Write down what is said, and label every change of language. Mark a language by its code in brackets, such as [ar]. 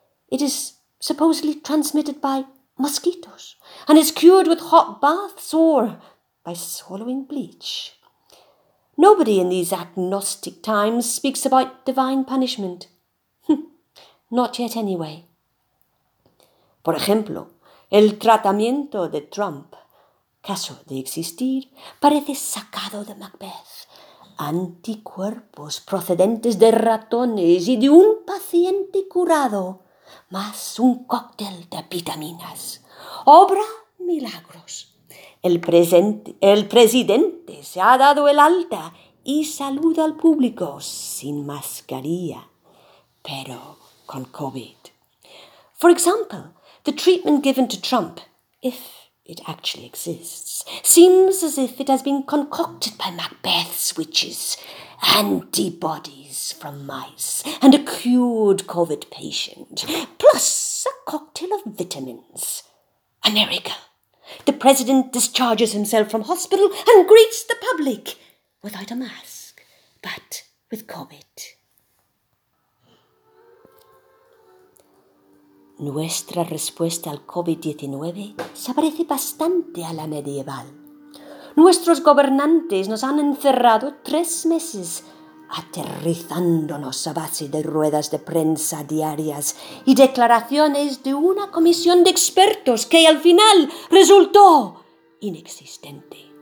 [en] It is supposedly transmitted by mosquitos and is cured with hot baths or by swallowing bleach. Nobody in these agnostic times speaks about divine punishment. Not yet, anyway. [es] Por ejemplo, el tratamiento de Trump, caso de existir, parece sacado de Macbeth. Anticuerpos procedentes de ratones y de un paciente curado, más un cóctel de vitaminas. Obra milagros. El presidente se ha dado el alta y saluda al público sin mascarilla, pero con COVID. [en] For example, the treatment given to Trump, if it actually exists, seems as if it has been concocted by Macbeth's witches, antibodies from mice, and a cured COVID patient, plus a cocktail of vitamins. A miracle. The president discharges himself from hospital and greets the public without a mask, but with COVID. [es] Nuestra respuesta al COVID-19 se parece bastante a la medieval. Nuestros gobernantes nos han encerrado 3 meses, aterrizándonos a base de ruedas de prensa diarias y declaraciones de una comisión de expertos que al final resultó inexistente.